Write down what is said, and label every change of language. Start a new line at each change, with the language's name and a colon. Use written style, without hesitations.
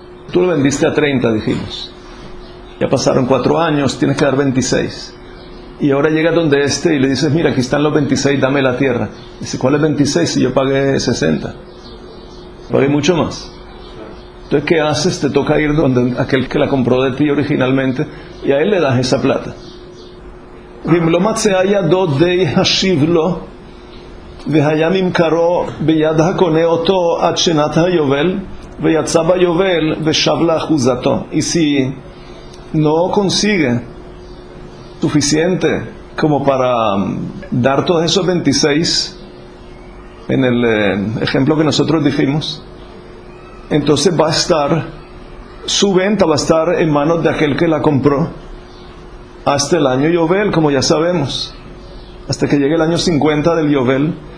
Spanish: Tú lo vendiste a 30, dijimos. Ya pasaron 4 años, tienes que dar 26. Y ahora llega donde este y le dices, mira, aquí están los 26, dame la tierra. Y dice, ¿cuál es 26? Si yo pagué 60. Pagué mucho más. Entonces, ¿qué haces? Te toca ir donde aquel que la compró de ti originalmente y a él le das esa plata.
Hebrew: ואם לא מצאה ידו די השיב לו, והיה ממכרו ביד הקונה אותו עד שנת היובל, ויצא ביובל ושב לאחוזתו.
Spanish: איסי no consigue suficiente como para dar todos esos 26 en el ejemplo que nosotros dijimos, entonces va a estar su venta, va a estar en manos de aquel que la compró hasta el año Yovel, como ya sabemos, hasta que llegue el año 50 del Yovel.